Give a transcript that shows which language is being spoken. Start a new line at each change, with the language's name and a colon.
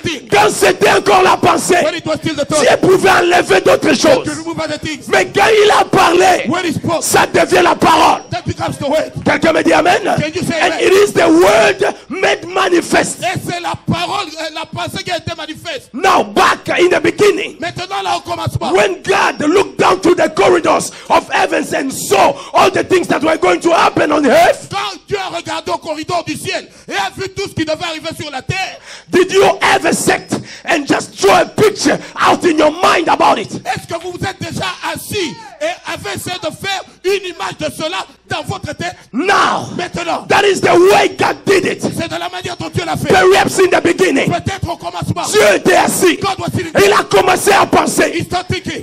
French: Quand c'était encore la pensée, Dieu pouvait enlever d'autres choses. Mais quand il a parlé, ça devient la parole. Quelqu'un me dit amen?
English: And it is the word made manifest.
French: Et c'est la parole, la pensée qui a été manifeste.
English: Now back in the beginning.
French: Maintenant là au commencement.
English: When God looked down through the corridors of heavens and saw all the things that were going to happen on earth.
French: Quand Dieu a regardé au corridor du ciel et a vu tout ce qui devait arriver sur la terre.
English: Did you ever sit and just draw a picture out in your mind about it?
French: Est-ce que vous vous êtes déjà assis et avez essayé de faire une image de cela dans votre tête?
English: Now,
French: maintenant,
English: that is the way God did it.
French: C'est de la manière dont Dieu l'a fait.
English: Perhaps in the beginning,
French: peut-être au commencement, Dieu était assis.
English: God was sitting.
French: Il a commencé à penser.
English: He started thinking.